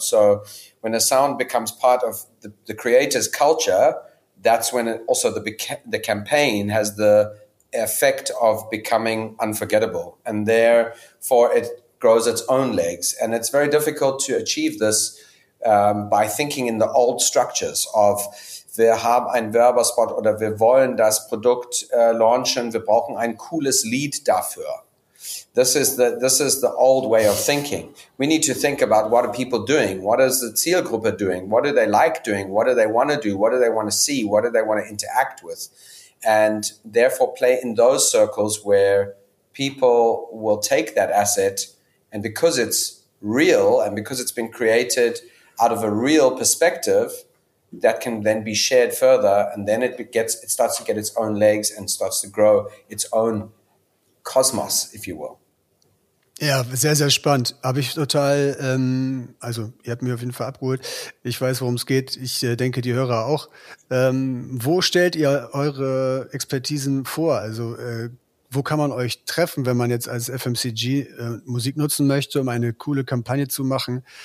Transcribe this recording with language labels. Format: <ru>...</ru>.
<en>So when a sound becomes part of the creator's culture, that's when it also the campaign has the effect of becoming unforgettable, and therefore it grows its own legs. And it's very difficult to achieve this by thinking in the old structures of</en> <de>wir haben einen Werbespot oder wir wollen das Produkt launchen, wir brauchen ein cooles Lead dafür.</de> <en>This is the old way of thinking. We need to think about what are people doing? What is the Zielgruppe doing? What do they like doing? What do they want to do? What do they want to see? What do they want to interact with? And therefore play in those circles where people will take that asset. And because it's real and because it's been created out of a real perspective, that can then be shared further. And then it starts to get its own legs and starts to grow its own Kosmos, if you will.</en> <de>Ja, sehr, sehr spannend. Habe ich total, also ihr habt mich auf jeden Fall abgeholt. Ich weiß, worum es geht. Ich denke, die Hörer auch. Wo stellt ihr eure Expertisen vor? Also wo kann man euch treffen, wenn man jetzt als FMCG Musik nutzen möchte, um eine coole Kampagne zu machen?</de>